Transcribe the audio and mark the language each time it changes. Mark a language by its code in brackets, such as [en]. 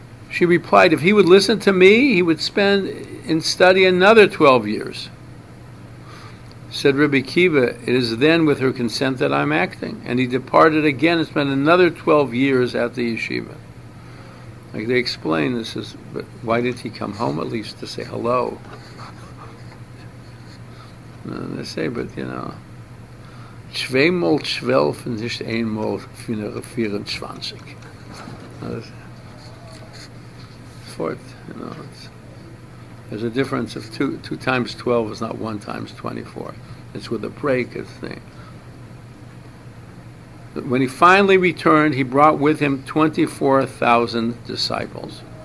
[en] She replied, "If he would listen to me, he would spend in study another 12 years. Said Rabbi Akiva, "It is then with her consent that I'm acting." And he departed again and spent another 12 years at the yeshiva. Like they explain, this is, but why did he come home at least to say hello? And they say, but you know, [de] Zweimal zwölf und nicht einmal 24. [en] Fourth, you know, there's a difference of two times 12 is not one times 24. It's with a break, it's the thing. When he finally returned, he brought with him 24,000 disciples.